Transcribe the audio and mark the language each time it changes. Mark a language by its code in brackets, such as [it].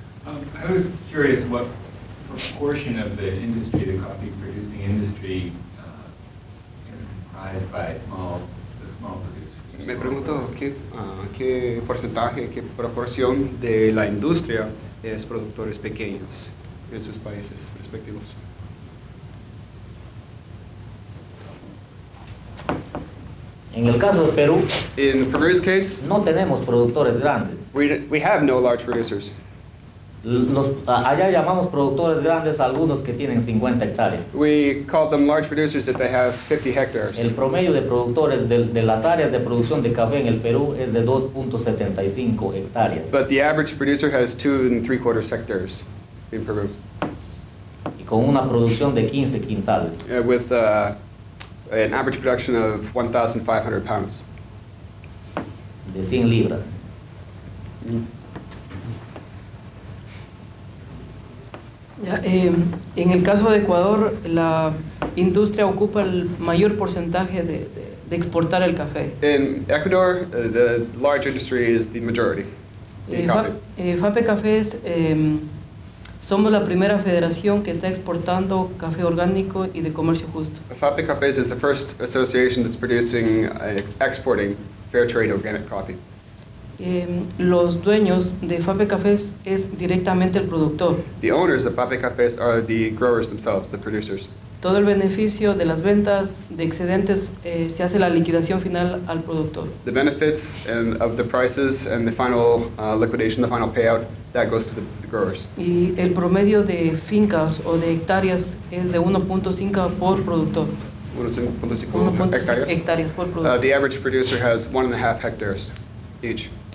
[en] I was curious what proportion of the industry, the coffee producing industry, is comprised by the small producers. [es] Me pregunto qué porcentaje, qué proporción de la industria es productores pequeños en sus países respectivos. En el caso de Perú, [en] in Peru's case, [es] no tenemos productores grandes. [en] We have no large producers. [es] Allá llamamos productores grandes algunos que tienen 50 hectáreas. [en] We call them large producers if they have 50 hectares. [es] El promedio de productores de las áreas de producción de café en el Perú es de 2.75 hectáreas. [en] But the average producer has 2.75 hectares in Peru. [es] Y con una producción de 15 quintales. [en] With an average production of 1,500 pounds. [es] De 100 libras. Ya, en el caso de Ecuador, la industria ocupa el mayor porcentaje de exportar el café. [en] In Ecuador, the large industry is the majority in coffee. [es] FAPE Cafés, somos la primera federación que está exportando café orgánico y de comercio justo. [en] FAPE Cafés is the first association that's producing, exporting fair trade organic coffee. [es] Los dueños de FAPE Cafés es directamente el productor. [en] The owners of FAPE Cafés are the growers themselves, the producers. [es] Todo el beneficio de las ventas de excedentes se hace la liquidación final al productor. [en] The benefits and of the prices and the final liquidation, the final payout, that goes to the growers. [es] Y el promedio de fincas o de hectáreas es de 1.5 por productor. 1.5 hectáreas por productor. [en] The average producer has 1.5 hectares each.